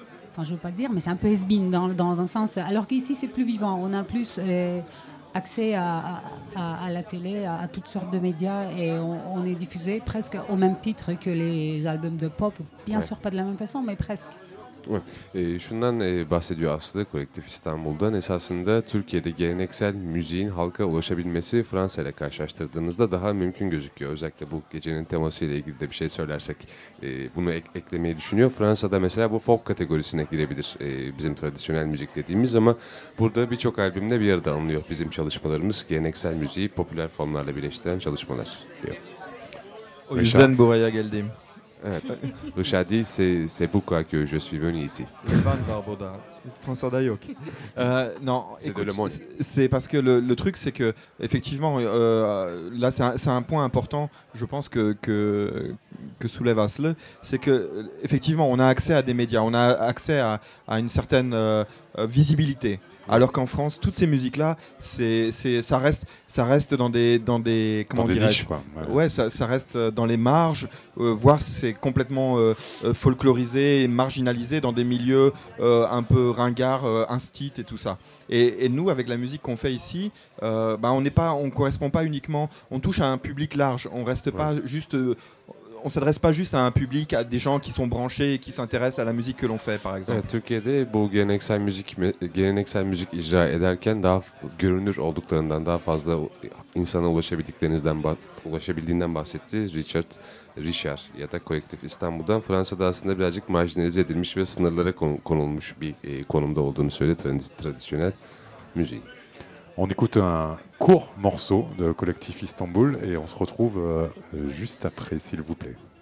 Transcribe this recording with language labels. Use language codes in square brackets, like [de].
[fr] Enfin, je ne veux pas le dire, mais c'est un peu has-been dans un sens. Alors qu'ici, c'est plus vivant. On a plus accès à la télé, à toutes sortes de médias. Et on est diffusé presque au même titre que les albums de pop. Bien sûr, pas de la même façon, mais presque. Ouais. [tr] Şundan bahsediyor aslında Kolektif İstanbul'dan. Esasında Türkiye'de geleneksel müziğin halka ulaşabilmesi Fransa ile karşılaştırdığınızda daha mümkün gözüküyor. Özellikle bu gecenin teması ile ilgili de bir şey söylersek bunu eklemeyi düşünüyor. Fransa'da mesela bu folk kategorisine girebilir bizim tradisyonel müzik dediğimiz, ama burada birçok albümde bir arada alınıyor bizim çalışmalarımız. Geleneksel müziği popüler formlarla birleştiren çalışmalar. Diyor. O yüzden buraya geldim. Evet. [fr] Rıçadi, c'est pourquoi que je suis venu ici. [tr] Van Barboda, Fransa'da yok. [fr] Non, écoute, c'est parce que le truc, c'est que effectivement, là, c'est un point important, je pense que soulève Asle, c'est que effectivement, on a accès à des médias, on a accès à une certaine visibilité. Alors qu'en France, toutes ces musiques-là, ça reste dans des comment dirais-je, niches, quoi. Ouais, ça reste dans les marges, voire c'est complètement folklorisé, et marginalisé dans des milieux un peu ringards, instit et tout ça. Et nous, avec la musique qu'on fait ici, on correspond pas uniquement, on touche à un public large, on reste pas juste. On s'adresse pas juste à un public, à des gens qui sont branchés et qui s'intéressent à la musique que l'on fait, par exemple. [tr] Evet, Türkiye'de bu geleneksel müzik icra ederken daha görünür olduklarından, daha fazla insana ulaşabildiğinden bahsetti Richard ya da Kolektif İstanbul'dan. Fransa'da aslında birazcık marjinalize edilmiş ve sınırlara konulmuş bir konumda olduğunu söyledi tradisyonel müziği. [fr] On écoute un court morceau de Collectif Istanbul et on se retrouve juste après, s'il vous plaît.